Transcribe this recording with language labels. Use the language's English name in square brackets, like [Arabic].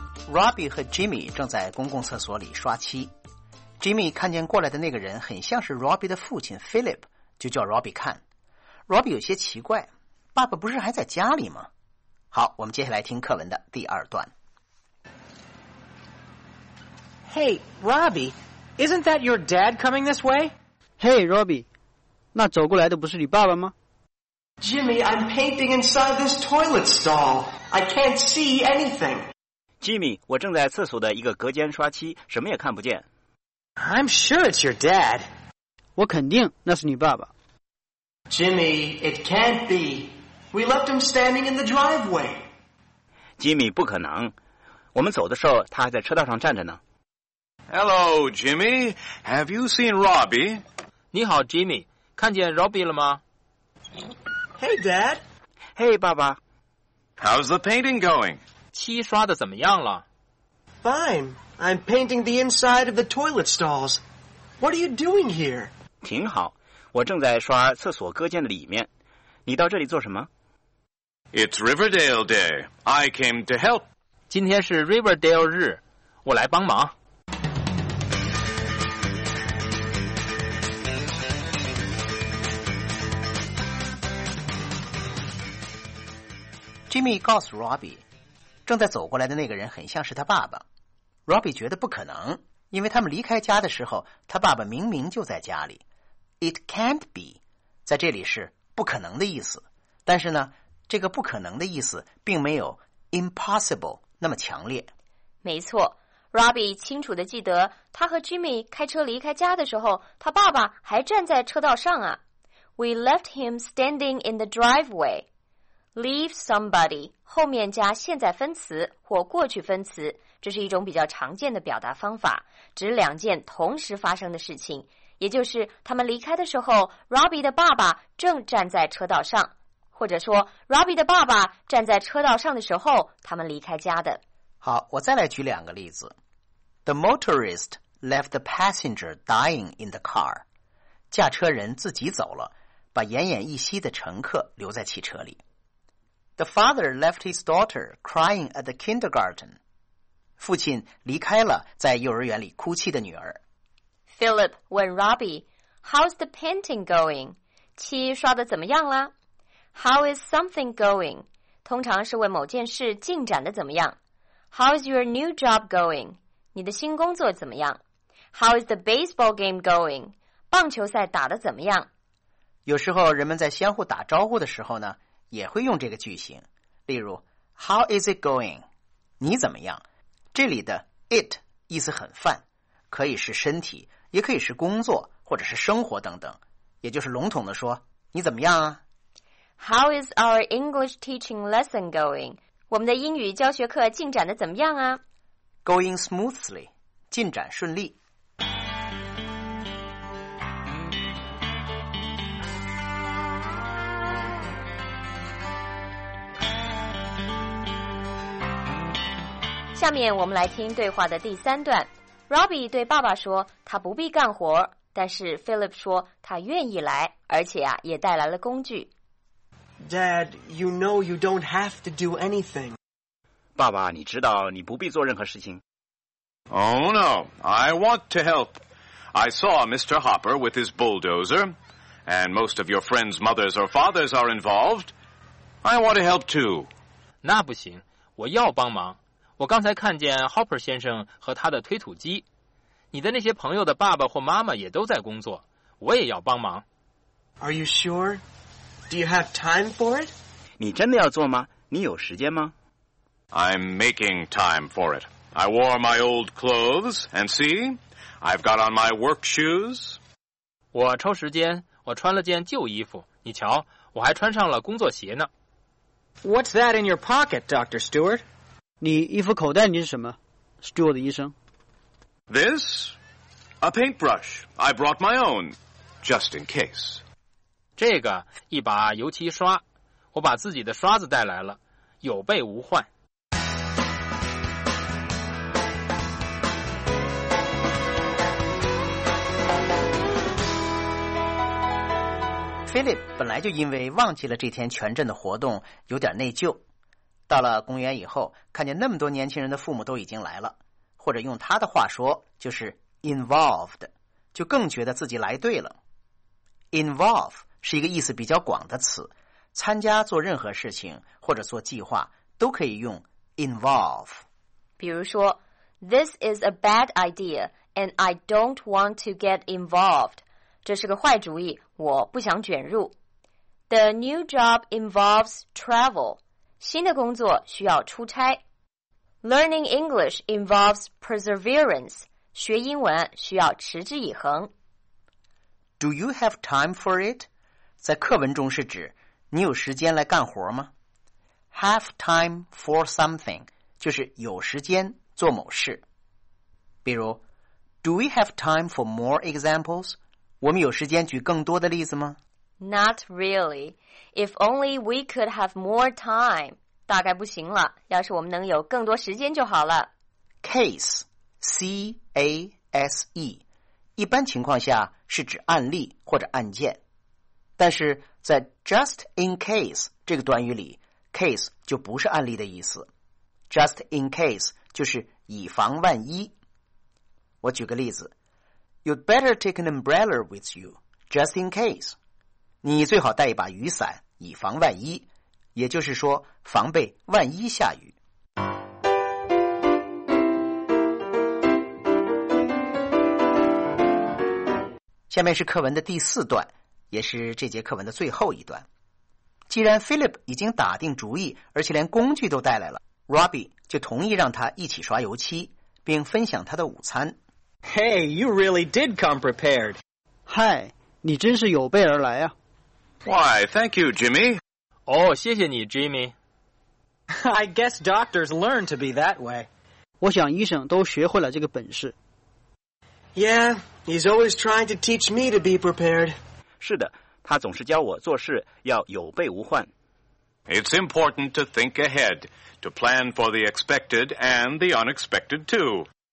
[Chinese] Robbie 和 Jimmy 正在公共厕所里刷漆。Jimmy 看见过来的那个人很像是 Robbie 的父亲 Philip， 就叫 Robbie 看。 Robbie 有些奇怪，爸爸不是还在家里吗？好，我们接下来听课文的第二段。 [English] Hey Robbie, isn't that your dad coming this way? [Chinese] Hey Robbie, 那走过来的不是你爸爸吗？ [English] Jimmy, I'm painting inside this toilet stall. I can't see anything. [Chinese] Jimmy, 我正在厕所的一个隔间刷漆，什么也看不见。 [English] I'm sure it's your dad. [Chinese] 我肯定那是你爸爸。 [English] Jimmy, it can't be. We left him standing in the driveway. [Chinese] Jimmy, 不可能。我们走的时候他还在车道上站着呢。 [English] Hello, Jimmy. Have you seen Robbie? [Chinese] 你好 ,Jimmy. 看见 Robbie 了吗？ [English] Hey, Dad. [Chinese] Hey, 爸爸。 [English] How's the painting going? [Chinese] 漆刷得怎么样了？ [English] Fine. I'm painting the inside of the toilet stalls. What are you doing here? [Chinese] 挺好。我正在刷厕所隔间的里面。你到这里做什么？ [English] It's Riverdale Day. I came to help. [Chinese] 今天是 Riverdale 日。我来帮忙。 Jimmy 告诉 Robbie， 正在走过来的那个人很像是他爸爸。 Robbie 觉得不可能，因为他们离开家的时候，他爸爸明明就在家里。 [English] It can't be， [Chinese] 在这里是不可能的意思。但是呢，这个不可能的意思并没有 impossible 那么强烈。没错， Robbie 清楚地记得，他和 Jimmy 开车离开家的时候，他爸爸还站在车道上啊。 [English] We left him standing in the driveway. Leave somebody [Chinese] 后面加现在分词或过去分词，这是一种比较常见的表达方法，指两件同时发生的事情，也就是他们离开的时候 Robbie 的爸爸正站在车道上，或者说 Robbie 的爸爸站在车道上的时候他们离开家的。好，我再来举两个例子。 [English] The motorist left the passenger dying in the car， [Chinese] 驾车人自己走了，把奄奄一息的乘客留在汽车里。 [English] The father left his daughter crying at the kindergarten. [Chinese] 父亲离开了在幼儿园里哭泣的女儿。 [English] Philip 问 Robbie, How's the painting going? [Chinese] 漆刷得怎么样啦？ [English] How is something going? [Chinese] 通常是问某件事进展得怎么样。 [English] How's your new job going? [Chinese] 你的新工作怎么样？ [English] How is the baseball game going? [Chinese] 棒球赛打得怎么样？有时候人们在相互打招呼的时候呢，也会用这个句型，例如 [English] How is it going? [Chinese] 你怎么样？这里的 it 意思很泛，可以是身体，也可以是工作，或者是生活等等，也就是笼统的说，你怎么样啊？ [English] How is our English teaching lesson going? [Chinese] 我们的英语教学课进展的怎么样啊？ [English] Going smoothly， [Chinese] 进展顺利。下面我们来听对话的第三段。Robbie 对爸爸说他不必干活，但是 Philip 说他愿意来，而且啊也带来了工具。 [English] Dad, you know you don't have to do anything. [Chinese] 爸爸，你知道你不必做任何事情。 [English] Oh no, I want to help. I saw Mr. Hopper with his bulldozer, and most of your friends' mothers or fathers are involved. I want to help too. [Chinese] 那不行，我要帮忙。我刚才看见 Hopper 先生和他的推土机，你的那些朋友的爸爸或妈妈也都在工作，我也要帮忙。 [English] Are you sure? Do you have time for it? [Chinese] 你真的要做吗？你有时间吗？ [English] I'm making time for it. I wore my old clothes, and see, I've got on my work shoes. [Chinese] 我抽时间，我穿了件旧衣服，你瞧，我还穿上了工作鞋呢。 [English] What's that in your pocket, Dr. Stewart? [Chinese] 你衣服口袋里是什么 ?Stuart 的医生。 [English] This? A paintbrush. I brought my own, just in case. [Chinese] 这个一把油漆刷，我把自己的刷子带来了，有备无患。 Philip 本来就因为忘记了这天全镇的活动有点内疚。到了公园以后，看见那么多年轻人的父母都已经来了，或者用他的话说，就是 involved， 就更觉得自己来对了。Involve 是一个意思比较广的词，参加做任何事情或者做计划都可以用 involve。 [English] 比如说 This is a bad idea and I don't want to get involved， [Chinese] 这是个坏主意，我不想卷入。 [English] The new job involves travel， [Chinese] 新的工作需要出差。 [English] Learning English involves perseverance， [Chinese] 学英文需要持之以恒。 [English] Do you have time for it？ [Chinese] 在课文中是指你有时间来干活吗？ [English] Have time for something [Chinese] 就是有时间做某事。 [English] 比如 Do we have time for more examples? [Chinese] 我们有时间举更多的例子吗？ [English] Not really. If only we could have more time. [Chinese] 大概不行了，要是我们能有更多时间就好了。 Case, C-A-S-E, 一般情况下是指案例或者案件。但是在 just in case 这个短语里， case 就不是案例的意思。 just in case 就是以防万一。我举个例子， [English] You'd better take an umbrella with you just in case， [Chinese] 你最好带一把雨伞以防万一，也就是说防备万一下雨。下面是课文的第四段，也是这节课文的最后一段。既然 Philip 已经打定主意，而且连工具都带来了， Robbie 就同意让他一起刷油漆，并分享他的午餐。 [English] Hey, you really did come prepared. [Chinese] 嗨，你真是有备而来啊。 [English] Why, thank you, Jimmy. [Chinese] 哦，谢谢你 Jimmy. [English] I guess doctors learn to be that way. [Chinese] 我想医生都学会了这个本事。 [English] Yeah, he's always trying to teach me to be prepared. [Chinese] 是的，他总是教我做事要有备无患。 [English] It's important to think ahead, to plan for the expected and the unexpected too.